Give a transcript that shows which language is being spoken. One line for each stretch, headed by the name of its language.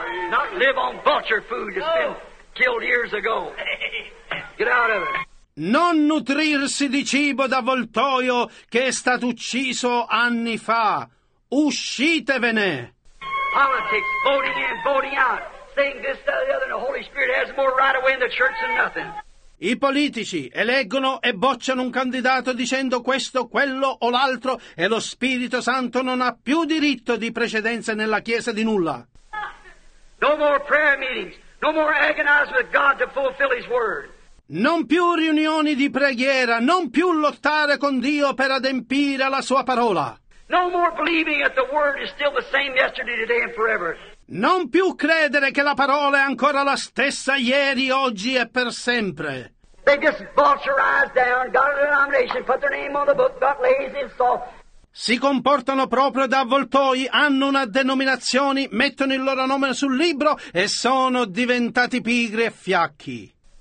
English: Not live on vulture food that's been killed years ago. Get out of it.
Italian: Non nutrirsi di cibo da avvoltoio che è stato ucciso anni fa. Uscitevene.
English: Politics, voting in, voting out, saying this, that, the other, and the Holy Spirit has more right away in the church than nothing.
Italian: I politici eleggono e bocciano un candidato dicendo questo, quello o l'altro e lo Spirito Santo non ha più diritto di precedenza nella Chiesa di nulla.
English: No more prayer meetings, no more agonizing with God to fulfill His word.
Italian: Non più riunioni di preghiera, non più lottare con Dio per adempiere la Sua parola.
English: No more believing that the word is still the same yesterday, today, and forever.
Italian: Non più credere che la parola è ancora la stessa ieri, oggi e per sempre.
English: They just vulturized down, got a denomination, put their name on the book, got lazy and soft.
Italian: Si comportano proprio da avvoltoi, hanno una denominazione, mettono il loro nome sul libro e sono diventati pigri e fiacchi.